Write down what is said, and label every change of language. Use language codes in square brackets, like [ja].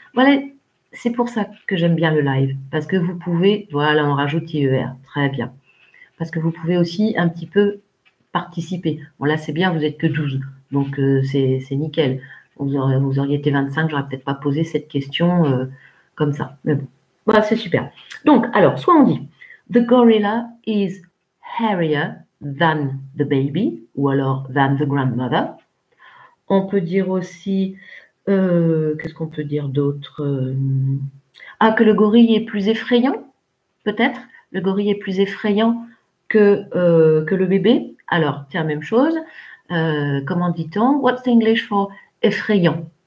[fr] Voilà, c'est pour ça que j'aime bien le live. Parce que vous pouvez, voilà, on rajoute IER. Très bien. Parce que vous pouvez aussi un petit peu participer. Bon, là, c'est bien, vous n'êtes que 12. Donc, c'est nickel. Vous auriez été 25, je n'aurais peut-être pas posé cette question comme ça. Mais bon, voilà, c'est super. Donc, alors, soit on dit. [en] The gorilla is hairier than the baby, [fr] ou alors [en] than the grandmother. [fr] On peut dire aussi, qu'est-ce qu'on peut dire d'autre? Ah, que le gorille est plus effrayant, peut-être. Le gorille est plus effrayant que le bébé. Alors, tiens, même chose. Comment dit-on? [en] What's English for [fr] effrayant?